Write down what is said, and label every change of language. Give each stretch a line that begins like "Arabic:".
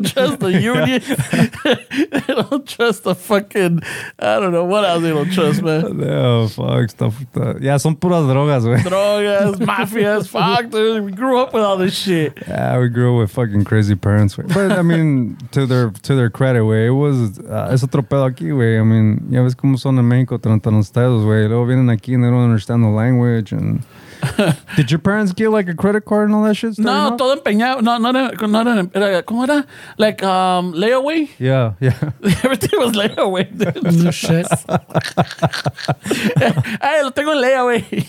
English: Trust the union. Yeah. They don't trust the fucking, I don't know what else they don't trust, man. Oh, fuck.
Spanish: Son puras drogas, güey.
English: Drogas, mafias, fuck, dude. We grew up with all this shit. Yeah, we grew up with fucking crazy parents. Wey. But, I mean, to their credit, güey, it was,
Spanish: es otro pedo aquí, güey.
English: I mean,
Spanish: ya ves cómo son en México, tratan los estados, güey. Luego vienen aquí
English: and they don't understand the language and... Did your parents get like a credit card and all that shit?
Spanish: No, todo empeñado. No, ¿cómo era?
English: Like layaway? Yeah, yeah. Everything was layaway. No shit.
Spanish: Hey, lo tengo en layaway.